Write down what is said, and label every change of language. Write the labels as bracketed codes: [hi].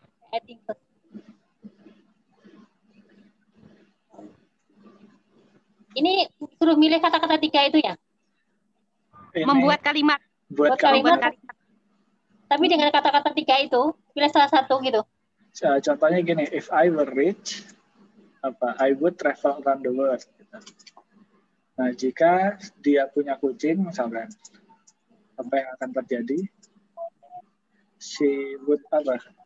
[en] I think. [id] Ini suruh milih kata-kata 3 itu ya? Ini membuat kalimat. Buat kalimat. Tapi dengan kata-kata 3 itu, pilih salah satu gitu. Contohnya gini, [en] if I were rich, [id] apa [en] I would travel around the world. [id] Nah, jika dia punya kucing misalnya, apa yang akan terjadi? [en] She would [id] apa?